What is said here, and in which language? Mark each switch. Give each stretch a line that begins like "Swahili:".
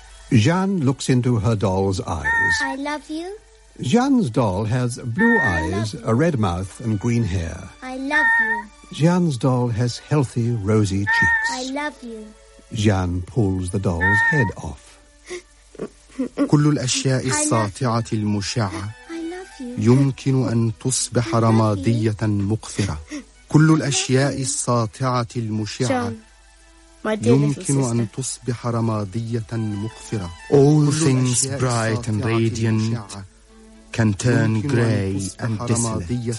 English: Jeanne looks into her doll's eyes. I love you. Jeanne's doll has blue eyes, a red mouth, and green hair. I love you. Jeanne's doll has healthy, rosy cheeks. I love you. Jeanne pulls the doll's head off.
Arabic: كل الأشياء الساطعة المشعة يمكن أن تصبح رمادية مقفرة. كل الأشياء الساطعة المشعة يمكن أن تصبح رمادية مقفرة.
English: All things bright and radiant can turn grey and desolate.